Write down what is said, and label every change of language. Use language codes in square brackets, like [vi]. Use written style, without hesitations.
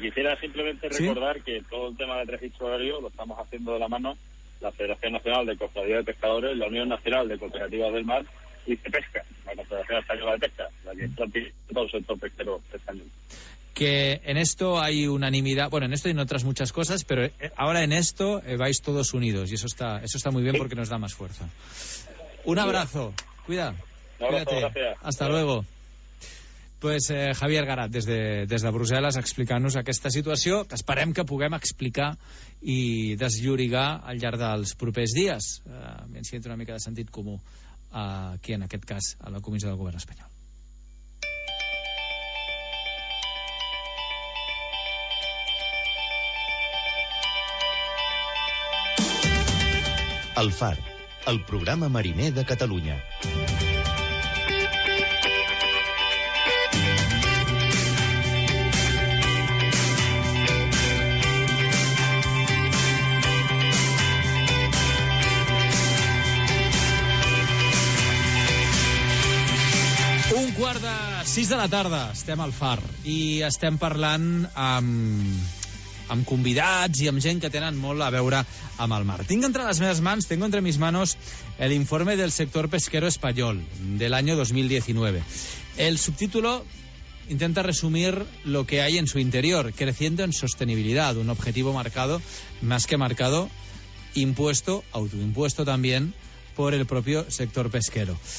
[es] Quisiera simplemente recordar que todo el tema del registro agrario lo estamos haciendo de la mano la Federación Nacional de Cofradías de Pescadores, la Unión Nacional de Cooperativas del Mar y de Pesca, la Confederación Española de Pesca, la que está todo el sector pesquero español. Que en esto hay unanimidad, bueno, en esto y en otras muchas cosas, pero ahora en esto vais todos unidos y eso está muy bien porque nos da más fuerza. Un abrazo, cuídate, hasta luego. [ca] Pues Javier Garat, des de Brussel·les, explicant-nos aquesta situació, que esperem que puguem explicar i desllorigar al llarg dels propers dies, si entra una mica de sentit comú aquí en aquest cas a la Comissió del Govern Espanyol. El Far, el programa mariner de Catalunya. Un quart de 6 de la tarda estem al Far i estem parlant amb convidats i amb gent que tenen molt a veure amb el mar. [es] Tengo entre mis manos el informe del sector pesquero español del año 2019. El subtítulo intenta resumir lo que hay en su interior, creciendo en sostenibilidad, un objetivo marcado, más que marcado, impuesto, autoimpuesto también, por el propio sector pesquero.